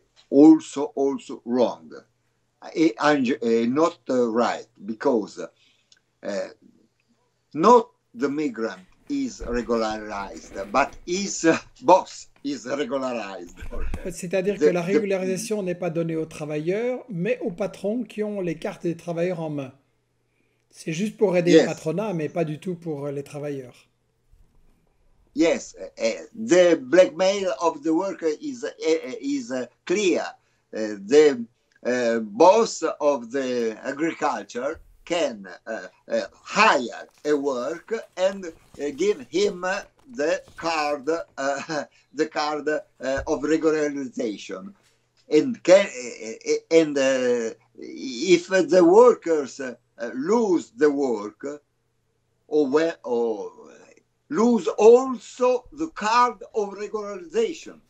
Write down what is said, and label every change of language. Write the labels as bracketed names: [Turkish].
[English] Also wrong, and not right, because not the migrant is regularized, but his boss is regularized. [French] C'est-à-dire que la régularisation n'est pas donnée aux travailleurs, mais aux patrons qui ont les cartes des travailleurs en main. C'est juste pour aider le patronat, mais pas du tout pour les travailleurs. [English] Yes, the blackmail of the worker is clear. The boss of the agriculture can hire a work and give him the card of regularization, and if the workers lose the work or lose also the card of regularization.